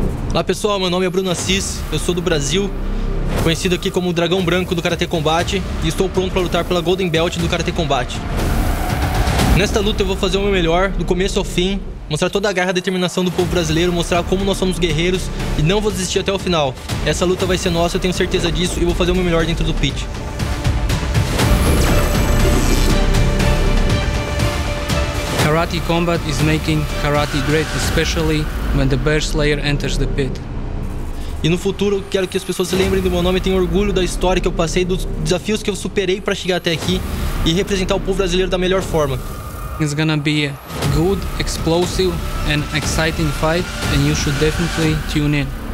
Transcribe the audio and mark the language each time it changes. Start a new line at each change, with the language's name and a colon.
Portuguese: Olá pessoal, meu nome é Bruno Assis, eu sou do Brasil, conhecido aqui como o Dragão Branco do Karate Combate, e estou pronto para lutar pela Golden Belt do Karate Combate. Nesta luta eu vou fazer o meu melhor, do começo ao fim, mostrar toda a garra e determinação do povo brasileiro, mostrar como nós somos guerreiros e não vou desistir até o final. Essa luta vai ser nossa, eu tenho certeza disso, e vou fazer o meu melhor dentro do pit.
English: Karate Combat is making karate great, especially when the Bear Slayer enters the pit.
Portuguese: E no futuro, quero que as pessoas se lembrem do meu nome e tenham orgulho da história que eu passei, dos desafios que eu superei para chegar até aqui e representar o povo brasileiro da melhor forma.
English: It's gonna be a good, explosive and exciting fight, and you should definitely tune in.